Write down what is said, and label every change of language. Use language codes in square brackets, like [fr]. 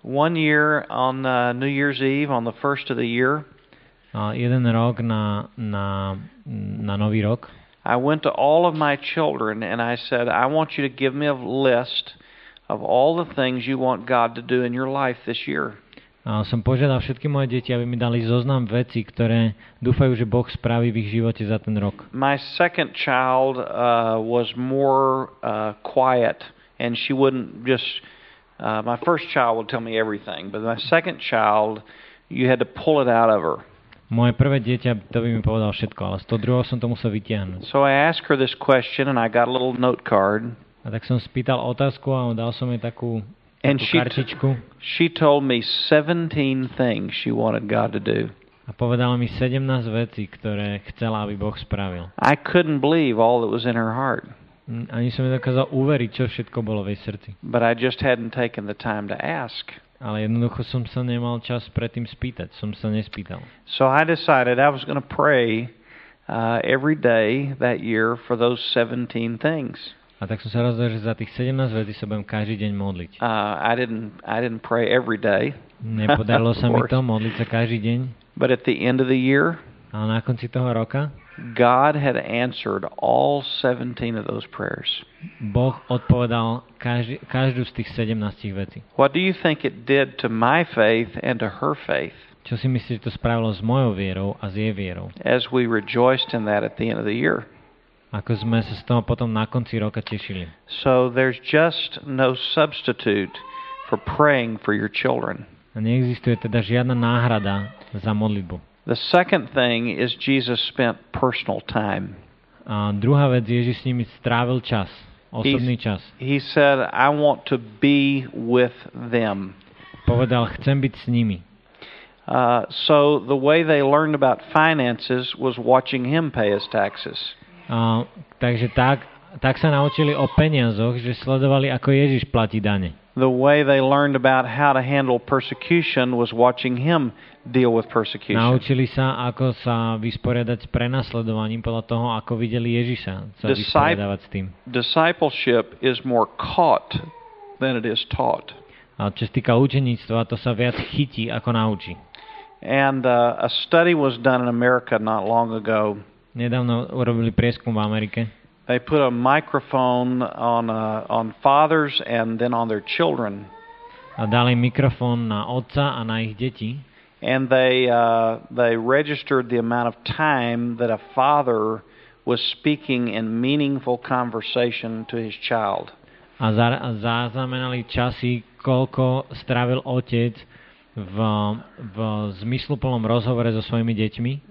[en] One year on New Year's Eve, on the first of the year. [sk] Jeden rok na nový rok. [en] I went to all of my children and I said, I want you to give me a list of all the things you want God to do in your life this year. [sk] A som požiadal všetky moje deti, aby mi dali zoznam vecí, ktoré dúfajú, že Boh spraví v ich živote za ten rok. [en] My second child was more quiet and she wouldn't just my first child would tell me everything, but my second child you had to pull it out of her. [sk] Moje prvé dieťa to by mi povedal všetko, ale z toho druhého som to musel vytiahnuť. [en] So I asked her this question and I got a little note card. [sk] A tak som spýtal otázku a dal som jej takú kartičku. [en] She told me 17 things she wanted God to do. [sk] A povedala mi 17 vecí, ktoré chcela, aby Boh spravil. [en] I couldn't believe all that was in her heart. [sk] Ani som nedokázal uveriť, čo všetko bolo v jej srdci. [en] But I just hadn't taken the time to ask. [sk] Ale jednoducho som sa nemal čas predtým spýtať. Som sa nespýtal. [en] So I decided I was going to pray every day that year for those 17 things. [sk] A tak som sa rozhodol, že za tých 17 vecí sa budem každý deň modliť. [en] I didn't pray every day. [sk] Nepodarilo sa mi to modliť sa každý deň. [en] But at the end of the year, [sk] ale na konci toho roka, [en] God had answered all 17 of those prayers. [sk] Boh odpovedal každú z tých 17 vecí. [en] What do you think it did to my faith and to her faith? [sk] Čo si myslíš, že to spravilo s mojou vierou a s jej vierou? [en] As we rejoiced in that at the end of the year. [sk] Ako sme sa z toho potom na konci roka tešili. [en] So there's just no substitute for praying for your children. [sk] A neexistuje teda žiadna náhrada za modlitbu. [en] The second thing is Jesus spent personal time. [sk] A druhá vec, Ježiš s nimi strávil čas, osobný čas. [en] He said, I want to be with them. [sk] Povedal, chcem byť s nimi. [en] So the way they learned about finances was watching him pay his taxes. [sk] Takže tak sa naučili o peniazoch, že sledovali, ako Ježiš platí dane. [en] The way they learned about how to handle persecution was watching him deal with persecution. [sk] Naučili sa, ako sa vysporiadať s prenasledovaním podľa toho, ako videli Ježiša sa vysporiadavať s tým. [en] Discipleship is more caught than it is taught. [sk] A čo sa týka učeníctva, to sa viac chytí, ako naučí. [en] And a study was done in America not long ago. [sk] Nedávno urobili prieskum v Amerike. [en] They put a microphone on fathers and then on their children. [sk] A dali mikrofón na otca a na ich deti. [en] And they registered the amount of time that a father was speaking in meaningful conversation to his child. [sk] A zaznamenali časy, koľko strávil otec v zmysluplnom rozhovore so svojimi deťmi.